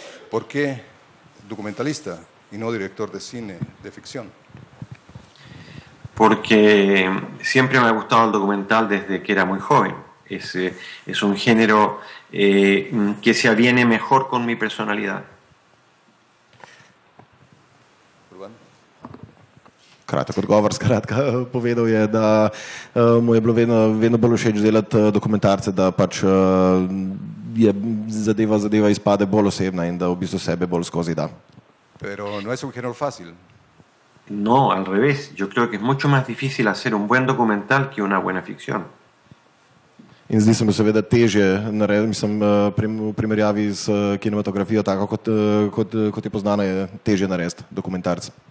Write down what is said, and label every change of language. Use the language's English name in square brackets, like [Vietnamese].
[Spanish] ¿Por qué documentalista y no director de cine, de ficción? Porque siempre me ha gustado el documental desde que era muy joven. Es un género que se aviene mejor con mi personalidad. [Slovenian] Kratek odgovor, skratka, povedal je, da mu je bilo vedno bolj všeč delati dokumentarce, da pač je zadeva izpade bolj osebna in da v bistvu sebe bolj skozi da. [Spanish] Pero no es un género fácil. No, al revés. Yo creo que es mucho más difícil hacer un buen documental que una buena ficción. [Slovenian] In zdi se mi seveda težje narediti, mislim, v primerjavi s kinematografijo, tako kot je poznano, je težje narediti dokumentarce.